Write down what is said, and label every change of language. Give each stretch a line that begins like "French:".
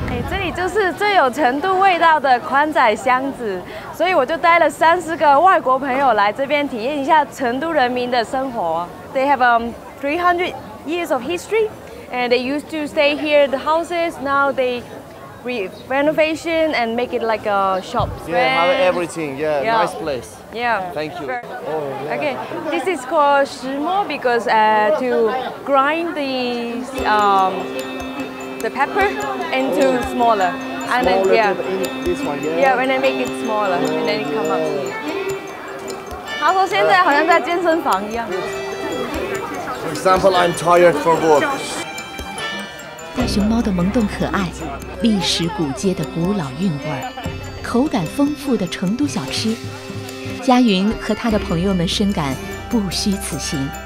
Chinese: 这里就是最有成都味道的宽窄箱子，所以我就带了30个外国朋友来这边体验一下成都人民的生活。
English: They have 300 years of history, and they used to stay here the houses. Now they renovation and make it like a shop. Yeah, have everything. Yeah, nice place. Yeah. Thank you. Oh, yeah. Okay, this is called 石磨 because to grind the pepper into smaller. And smaller then, yeah. Than this one, yeah. Yeah, when I make it smaller, and then it come up.
Chinese: 他说现在好像在健身房一样。
English: For example, I'm tired for work.
Chinese: 大熊猫的萌动可爱，历史古街的古老韵味，口感丰富的成都小吃。佳云和他的朋友们深感不虚此行。